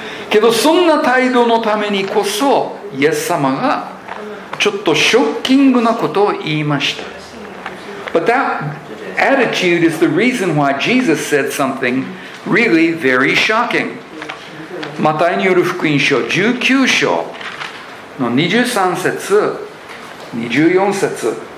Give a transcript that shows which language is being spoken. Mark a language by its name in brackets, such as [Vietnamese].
[Japanese] けどそんな態度のためにこそ、イエス様がちょっとショッキングなことを言いました。 [English] But that attitude is the reason why Jesus said something really very shocking. [Japanese] マタイによる福音書19章の23節、24節。